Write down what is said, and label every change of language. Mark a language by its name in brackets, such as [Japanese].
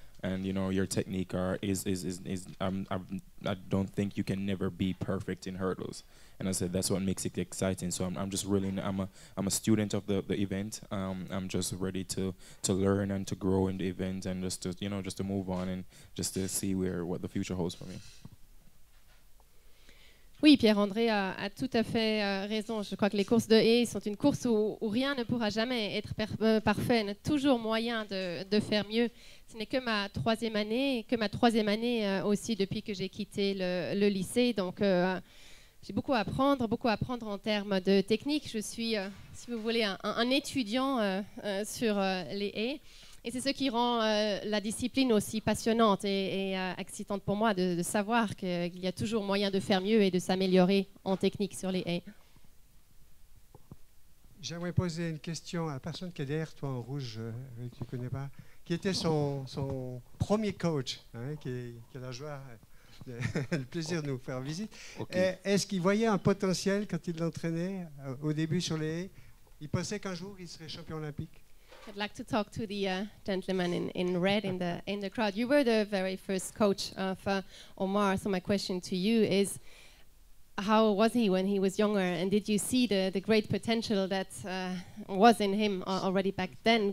[English] And, you know, your technique I don't think you can never be perfect in hurdles. And I said, that's what makes it exciting. So I'm a student of the event. I'm just ready to learn and to grow in the event and just to, you know, just to move on and just to see what the future holds for me. [French] Oui, Pierre-André a tout à fait raison. Je crois que les courses de haies sont une course où rien ne pourra jamais être parfait. Il y a toujours moyen de faire mieux. Ce n'est que ma troisième année, aussi depuis que j'ai quitté le lycée. Donc, j'ai beaucoup à apprendre en termes de technique. Je suis, si vous voulez, un étudiant sur les haies. Et c'est ce qui rend la discipline aussi passionnante et excitante pour moi de savoir qu'il y a toujours moyen de faire mieux et de s'améliorer en technique sur les haies. J'aimerais poser une question à la personne qui est derrière toi en rouge, que tu ne connais pas, qui était son premier coach, hein, qui a la joie, le plaisir de nous faire visite. [English] Okay. [French] Est-ce qu'il voyait un potentiel quand il l'entraînait au début sur les haies? Il pensait qu'un jour il serait champion olympique? [English] I'd like to talk to the gentleman in red in the crowd. You were the very first coach of Omar, so my question to you is, how was he when he was younger, and did you see the great potential that was in him already back then?